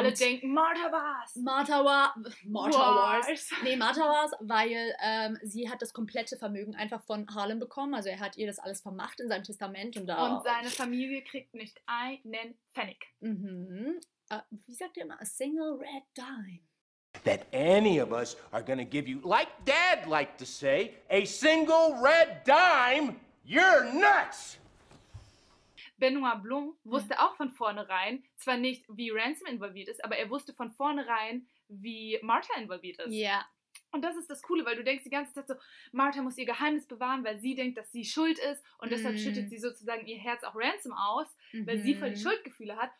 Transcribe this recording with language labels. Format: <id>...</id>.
<de>Alle denken, Martha war's. Martha war's, weil sie hat das komplette Vermögen einfach von Harlem bekommen. Also er hat ihr das alles vermacht in seinem Testament. Und, seine Familie kriegt nicht einen Pfennig. Wie sagt ihr immer?</de> <en>A single red dime. That any of us are gonna give you, like Dad liked to say, a single red dime, you're nuts!</en> <de>Benoit Blanc wusste auch von vornherein, zwar nicht, wie Ransom involviert ist, aber er wusste von vornherein, wie Martha involviert ist. Ja. Yeah. Und das ist das Coole, weil du denkst die ganze Zeit so, Martha muss ihr Geheimnis bewahren, weil sie denkt, dass sie schuld ist. Und deshalb schüttet sie sozusagen ihr Herz auch Ransom aus, weil sie voll die Schuldgefühle hat.</de>